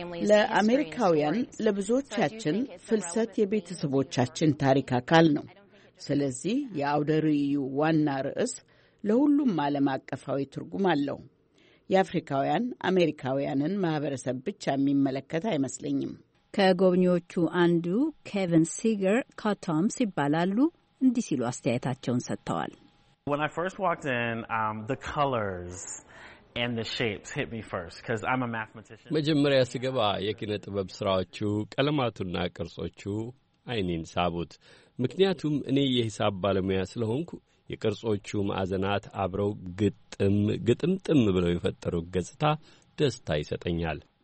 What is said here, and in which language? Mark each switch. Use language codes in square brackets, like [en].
[am] ለአሜሪካውያን ለብዙዎቻችን ፍልሰት የቤተሰቦቻችን ታሪክ አካል ነው። ስለዚህ የአውደ ርዕዩ ዋና ርዕስ ለሁሉም ዓለም አቀፋዊ ትርጉም አለው። የአፍሪካውያን አሜሪካውያንን ማህበረሰብ ብቻ የሚመለከት አይመስለኝም። ከጎብኚዎቹ አንዱ ኬቪን ሲገር ካቶምስ ይባላሉ። እንዲህ ሲሉ አስተያየታቸውን ሰጥተዋል። [en] When I first walked in, the colors and the shapes hit me first because I'm a mathematician. [am] መጀመሪያ ስገባ የኪነ ጥበብ ስራዎቹ ቀለማቱና ቅርጾቹ አይኔን ሳቡት። ምክንያቱም እኔ የሂሳብ ባለሙያ ስለሆንኩ የቅርጾቹ ማዕዘናት አብረው ግጥምጥም ብለው የፈጠሩት ገጽታ ደስታ ይሰጠኛል።